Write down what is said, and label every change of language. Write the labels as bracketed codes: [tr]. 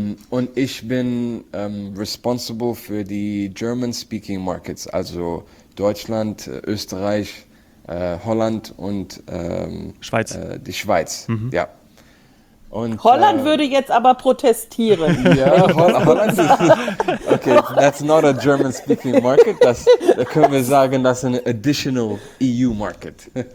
[de] Und ich bin responsible für die German-speaking markets, also Deutschland, Österreich, Holland und Schweiz. Die Schweiz. Mhm. Ja. Und Holland würde jetzt aber protestieren. Ja, Holland ist. [en] Okay, that's not a German-speaking market. [de] Da können wir sagen, das ist ein [en] additional EU-Market.